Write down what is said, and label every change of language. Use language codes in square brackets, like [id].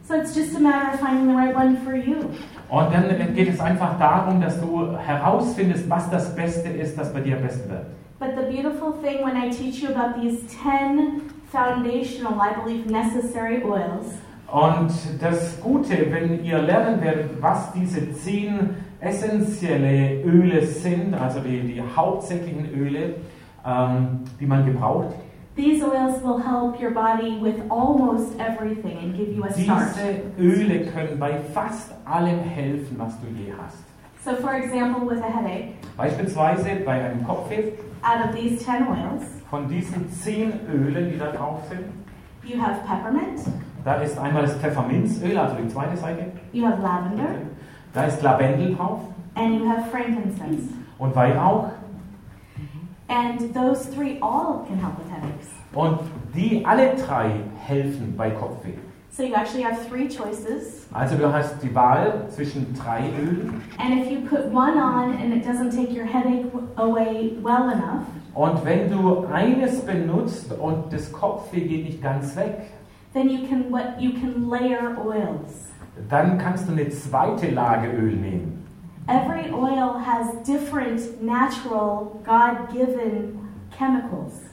[en] So it's just a matter of finding the right one for you. [de] Und dann geht es einfach darum, dass du herausfindest, was das Beste ist, das bei dir am besten wird. [en] But the beautiful thing when I teach you about these 10 foundational, I believe, necessary oils. [de] Und das Gute, wenn ihr lernen werdet, was diese 10 essentielle Öle sind, also die hauptsächlichen Öle, die man gebraucht. [en] These oils will help your body with almost everything and give you a start. [de] Diese Öle können bei fast allem helfen, was du je hast. [en] So for example, with a headache. [de] Beispielsweise bei einem Kopfweh. [en] Out of these 10 oils. [de] Von diesen 10 Ölen, die da drauf sind. [en] You have peppermint. [de] Da ist einmal das Pfefferminzöl, also die zweite Seite. [en] You have lavender. [de] Da ist Lavendel drauf. [en] And you have frankincense. [de] Und Weihrauch. [en] And those three all can help with headaches. [de] Und die alle drei helfen bei Kopfweh. [en] So you actually have three choices. [de] Also du hast die Wahl zwischen drei Ölen. [en] And if you put one on and it doesn't take your headache away well enough. [de] Und wenn du eines benutzt und das Kopfweh geht nicht ganz weg. [en] Then you can layer oils. [de] Dann kannst du eine zweite Lage Öl nehmen. [en] Every oil has different natural God-given chemicals.